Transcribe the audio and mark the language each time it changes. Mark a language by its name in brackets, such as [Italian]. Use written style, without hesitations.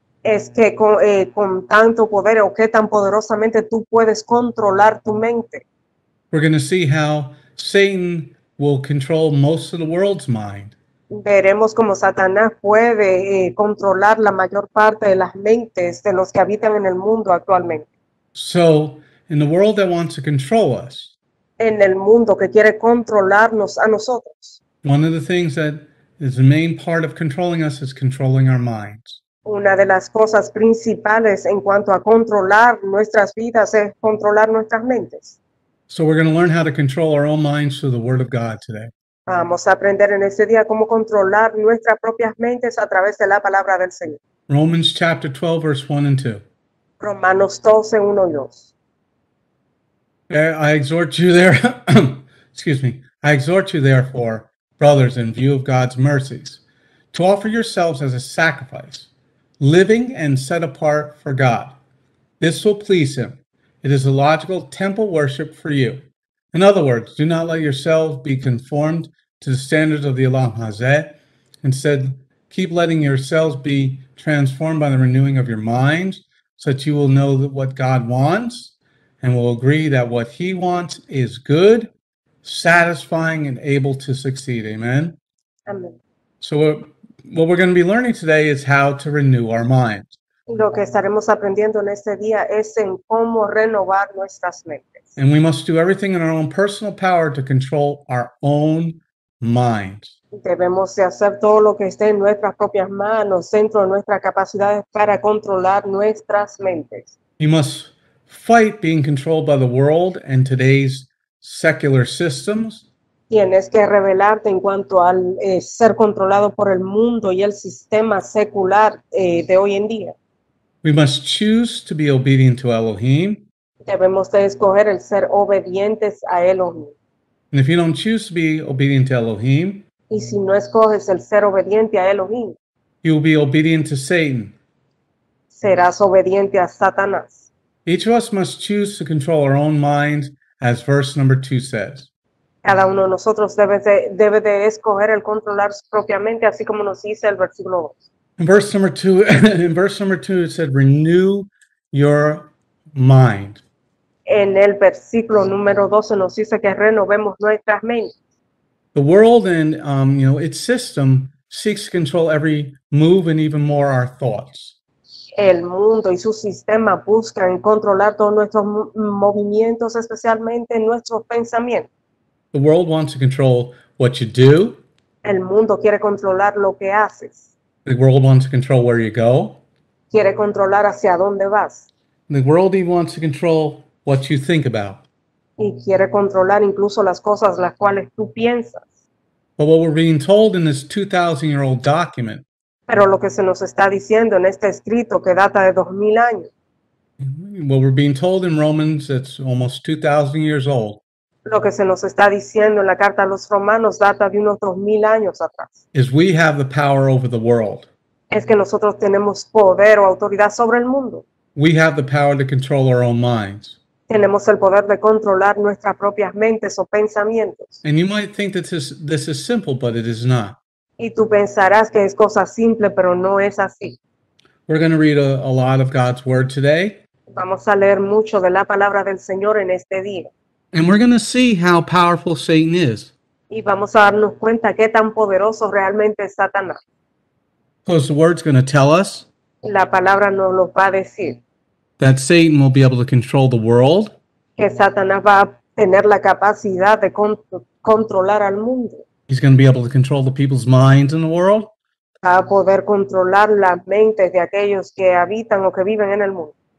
[Spanish] Es que con tanto poder o que tan poderosamente tú puedes controlar tu mente. [English] We're going to see how Satan will control most of the world's mind. [Spanish] Veremos cómo Satanás puede controlar la mayor parte de las mentes de los que habitan en el mundo actualmente. [English] So, in the world that wants to control us, [Spanish] en el mundo que quiere controlarnos a nosotros, [English] one of the things that is the main part of controlling us is controlling our minds. [Spanish] Una de las cosas principales en cuanto a controlar nuestras vidas es controlar nuestras mentes. [English] So we're going to learn how to control our own minds through the Word of God today. [Spanish] Vamos a aprender en este día cómo controlar nuestras propias mentes a través de la palabra del Señor. [English] Romans chapter 12, verse 1 and 2. [Spanish] Romanos 12, 1 y 2. [English] I exhort you there, excuse me. I exhort you therefore, brothers, in view of God's mercies, to offer yourselves as a sacrifice, living and set apart for God. This will please him. It is a logical temple worship for you. In other words, do not let yourselves be conformed to the standards of the Olam Hazeh. Instead, keep letting yourselves be transformed by the renewing of your minds, so that you will know that what God wants and will agree that what he wants is good, satisfying, and able to succeed. Amen? Amen. So what we're going to be learning today is how to renew our minds. [Spanish] Lo que estaremos aprendiendo en este día es en cómo renovar nuestras mentes. [English] And we must do everything in our own personal power to control our own minds. [Spanish] Debemos de hacer todo lo que esté en nuestras propias manos, dentro de nuestras capacidades para controlar nuestras mentes. [English] You must fight being controlled by the world and today's secular systems. [Spanish] Tienes que rebelarte en cuanto al ser controlado por el mundo y el sistema secular de hoy en día. [English] We must choose to be obedient to Elohim. [Spanish] Debemos de escoger el ser obedientes a Elohim. [English] And if you don't choose to be obedient to Elohim, [Spanish] y si no escoges el ser obediente a Elohim, [English] you will be obedient to Satan. [Spanish] Serás obediente a Satanás. [English] Each of us must choose to control our own mind, as verse number 2 says. [Spanish] Cada uno de nosotros debe de escoger el controlar su propia mente, así como nos dice el versículo 2. [English] In verse number 2, it said, renew your mind. [Spanish] En el versículo número 12 nos dice que renovemos nuestras mentes. [English] The world and its system seeks to control every move and even more our thoughts. [Spanish] El mundo y su sistema buscan controlar todos nuestros movimientos, especialmente nuestros pensamientos. [English] The world wants to control what you do. [Spanish] El mundo quiere controlar lo que haces. [English] The world wants to control where you go. [Spanish] Quiere controlar hacia dónde vas. [English] The world even wants to control what you think about. [Spanish] Y quiere controlar incluso las cosas las cuales tú piensas. [English] But what we're being told in this 2,000-year-old document, [Spanish] Pero lo que se nos está diciendo en este escrito que data de 2000 años. [English] What we're being told in Romans, it's almost 2000 years old. [Spanish] Lo que se nos está diciendo en la carta a los romanos data de unos 2000 años atrás. [English] Is we have the power over the world. [Spanish] Es que nosotros tenemos poder o autoridad sobre el mundo. [English] We have the power to control our own minds. [Spanish] Tenemos el poder de controlar nuestras propias mentes o pensamientos. [English] And you might think that this is simple, but it is not. [Spanish] Y tú pensarás que es cosa simple, pero no es así. [English] We're going to read a lot of God's word today. [Spanish] Vamos a leer mucho de la palabra del Señor en este día. [English] And we're going to see how powerful Satan is. [Spanish] Y vamos a darnos cuenta qué tan poderoso realmente es Satanás. [English] Because the word's going to tell us. [Spanish] La palabra nos lo va a decir. [English] That Satan will be able to control the world. [Spanish] Que Satanás va a tener la capacidad de controlar al mundo. [English] He's going to be able to control the people's minds in the world. [Spanish] Va a poder controlar las mentes de aquellos que habitan o que viven en el mundo.